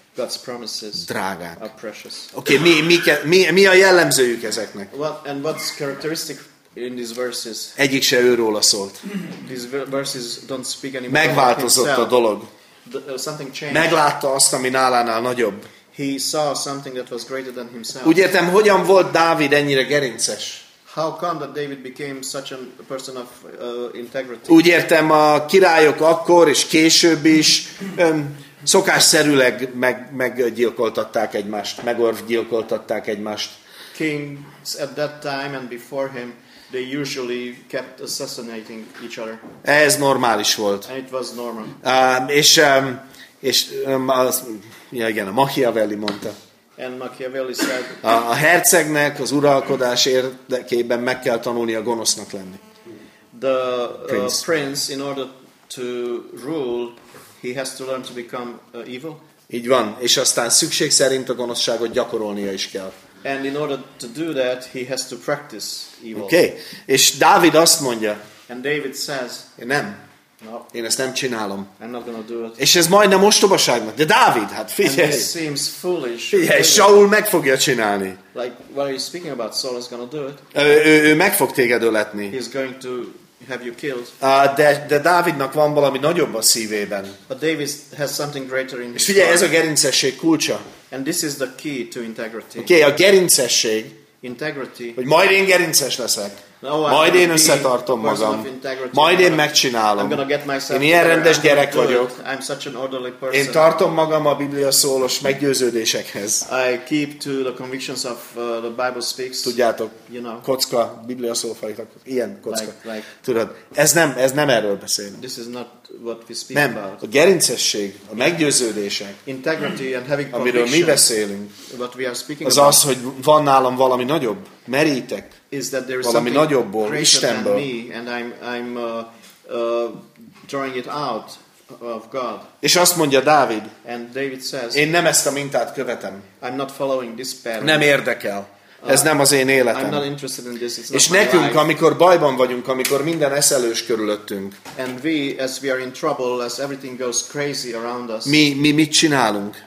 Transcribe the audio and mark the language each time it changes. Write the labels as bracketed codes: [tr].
[en] God's promises. [hu] Drágák. [en] Are precious. [hu] Okay, mi a jellemzőjük ezeknek? [en] What's characteristic in these verses? [hu] Egyik se őróla szólt. [en] These verses don't speak anymore. [hu] Megváltozott [en] himself. [hu] A dolog. [en] Something changed. [hu] Meglátta azt, ami nálánál nagyobb. [en] He saw something that was greater than himself. [hu] Úgy értem, hogyan volt Dávid ennyire gerinces? [en] How come that David became such a person of integrity? [hu] Úgy értem, a királyok akkor és később is szokásszerűleg meggyilkoltatták egymást, megorvgyilkoltatták egymást. [en] Kings at that time and before him They usually kept assassinating each other. [hu] Ez normális volt. [en] And it was normal. [hu] Igen, a Machiavelli mondta. [en] And Machiavelli said, [hu] a hercegnek az uralkodás érdekében meg kell tanulni a gonosznak lenni. [en] The prince, in order to rule, he has to learn to become evil. [hu] Így van, és aztán szükség szerint a gonoszságot gyakorolnia is kell. [en] And in order to do that, he has to practice evil. [hu] Okay. És Dávid azt mondja. [en] And David says, [hu] én nem. [en] No. [hu] Én ezt nem csinálom. [en] I'm not gonna do it. [hu] És ez majdnem ostobaságnak. De Dávid, hát figyelj. [en] And this seems foolish. [hu] Figyelj, Saul meg fogja csinálni. [en] Like, what are you speaking about? Saul is gonna do it. [hu] Ő meg fog téged öletni. [en] He's going to have you killed. [hu] De Dávidnak van valami nagyobb a szívében. [en] But David has something greater in his [hu] heart. És figyelj, ez a gerincesség kulcsa. [en] And this is the key to integrity. [hu] Okay, a gerincesség. [en] Integrity. [hu] Hogy majd én gerinces leszek. Majd én összetartom magam. Majd én megcsinálom. Én ilyen rendes gyerek vagyok. [en] I'm such an orderly person. [hu] Én tartom magam a Biblia szólos meggyőződésekhez. [en] I keep to the convictions of the Bible speaks. [hu] Tudjátok, [en] you know. [hu] Kocka, Biblia szófajtak. Ilyen kocka. [en] Like, [hu] tudod, ez nem erről beszél. [en] This is not what we speak [hu] nem, [en] about. [hu] A gerincesség, a meggyőződések, [en] integrity and having conviction, [hu] amiről mi beszélünk, [en] what we are speaking [hu] az [en] about, [hu] az, hogy van nálam valami nagyobb, merítek, [en] is that there is [hu] valami nagyobbból, Istenből. [en] Me, and I'm drawing it out of God. [hu] És azt mondja Dávid, [en] and David says, [hu] én nem ezt a mintát követem. [en] I'm not following this pattern. [hu] Nem érdekel. Ez nem az én életem. [en] I'm not interested in this. It's [hu] és [en] not [hu] nekünk, [en] life. [hu] Amikor bajban vagyunk, amikor minden eszelős körülöttünk, [en] and we, as we are in trouble, as everything goes crazy around us, [hu] mi mit csinálunk?